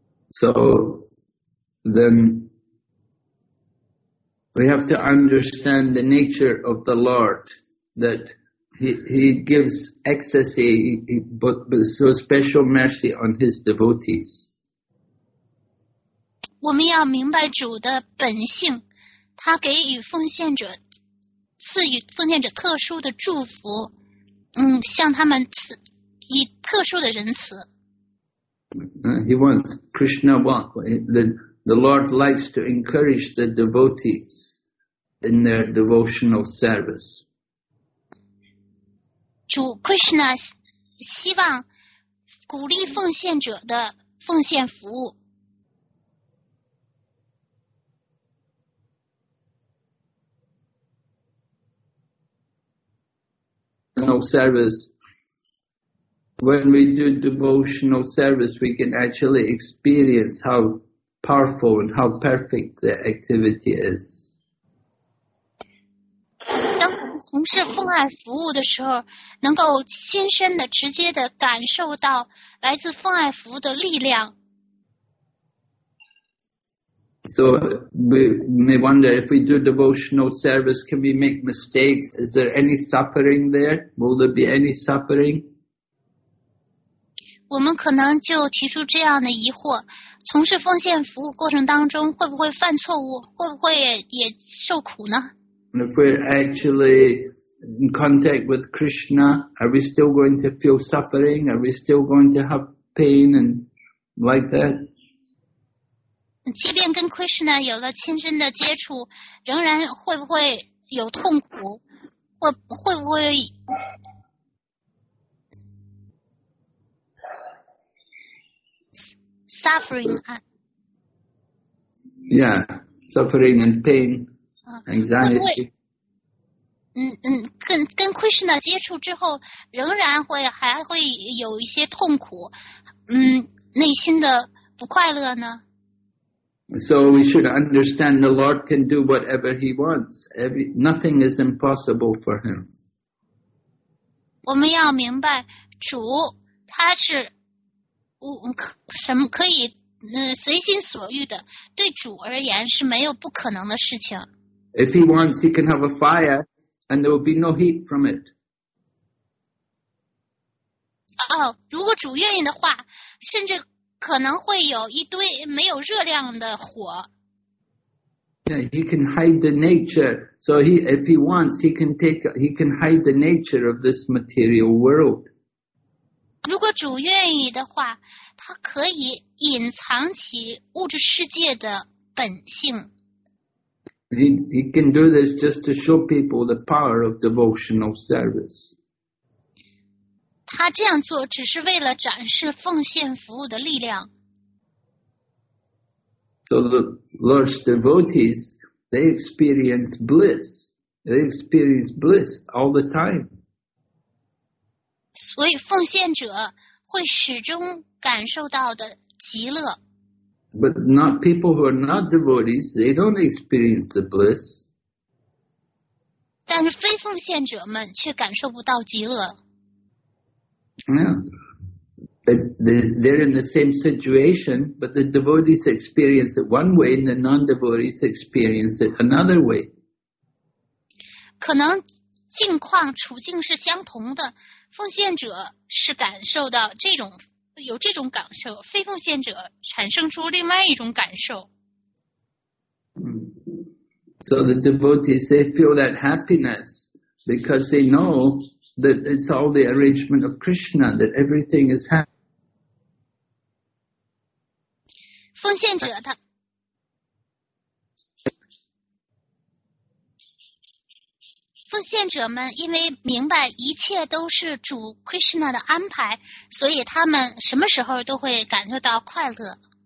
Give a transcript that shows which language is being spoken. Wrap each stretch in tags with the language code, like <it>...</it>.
<en>So then. We have to understand the nature of the Lord, that he gives ecstasy, but so special mercy on his devotees.</en> <zh>我们要明白主的本性，他给予奉献者，赐予奉献者特殊的祝福，向他们赐以特殊的仁慈。</zh> <en>He wants, Krishna wants, the Lord likes to encourage the devotees. In their devotional service.</en> <zh>主 Krishna 希望鼓励奉献者的奉献服务。</zh> <en>Devotional service. When we do devotional service, we can actually experience how powerful and how perfect the activity is.</en> <zh>当我们从事奉爱服务的时候，能够亲身的、直接的感受到来自奉爱服务的力量。</zh> <en>So we may wonder if we do devotional service, can we make mistakes? Is there any suffering there? Will there be any suffering?</en> <zh>我们可能就提出这样的疑惑：从事奉献服务过程当中，会不会犯错误？会不会也受苦呢？</zh> <en>And if we're actually in contact with Krishna, are we still going to feel suffering? Are we still going to have pain and like that?</en> <zh>即便跟 Krishna 有了亲身的接触，仍然会不会有痛苦，会不会 suffering?</zh> <en>Yeah, suffering and pain, anxiety.</en> <zh>跟 Krishna 接触之后，仍然会还会有一些痛苦，内心的不快乐呢？</zh> <en>So we should understand the Lord can do whatever He wants. Nothing is impossible for Him.</en> <zh>我们要明白主他是什么可以随心所欲的，对主而言是没有不可能的事情。</zh> <en>If He wants, He can have a fire, and there will be no heat from it.</en> <zh>如果主愿意的话，甚至。可能会有一堆没有热量的火。</zh> <en>Yeah, he can hide the nature. So if he wants, he can hide the nature of this material world.</en> <zh>如果主愿意的话，他可以隐藏起物质世界的本性。</zh> <en>He can do this just to show people the power of devotional service.</en> <zh>他这样做只是为了展示奉献服务的力量。</zh> <en>So the Lord's devotees, they experience bliss. They experience bliss all the time.</en> <zh>所以奉献者会始终感受到的极乐。</zh> <en>But not people who are not devotees, they don't experience the bliss.</en> <zh>但是非奉献者们却感受不到极乐。</zh> <en>Yeah, they're in the same situation, but the devotees experience it one way, and the non-devotees experience it another way.</en> <zh>可能境况处境是相同的，奉献者是感受到这种有这种感受，非奉献者产生出另外一种感受。</zh> <en>So the devotees they feel that happiness because they know. That it's all the arrangement of Krishna, that everything is happening.</en> <zh>奉献者他 奉献者们因为明白一切都是主 Krishna 的安排，所以他们什么时候都会感受到快乐。</zh>